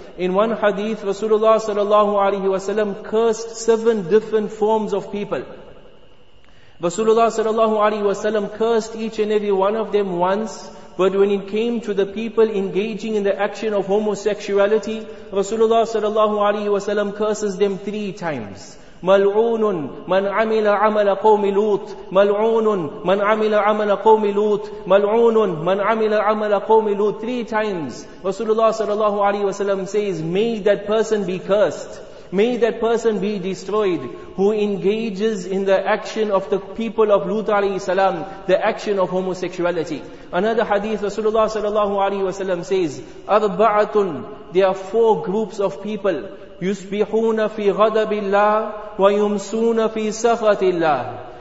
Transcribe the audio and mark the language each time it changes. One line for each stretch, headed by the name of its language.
English: In one hadith, Rasulullah sallallahu alayhi wa sallam cursed 7 different forms of people. Rasulullah sallallahu alayhi wa sallam cursed each and every one of them once, but when it came to the people engaging in the action of homosexuality, Rasulullah sallallahu alayhi wa sallam curses them 3 times.
Arabic: ملعون من عمل عمل قوم لوط، ملعون من عمل عمل قوم لوط، ملعون من عمل عمل قوم لوط.
English: 3 times Rasulullah sallallahu alaihi wasallam says, may that person be cursed, may that person be destroyed who engages in the action of the people of Lut alayhi salam, the action of homosexuality. Another hadith,
Arabic: Rasulullah sallallahu alayhi wasallam says, arba'atun,
English: there are 4 groups of people,
Arabic: yusbihuna fi ghadabillah wa yumsuna fi sakhatillah.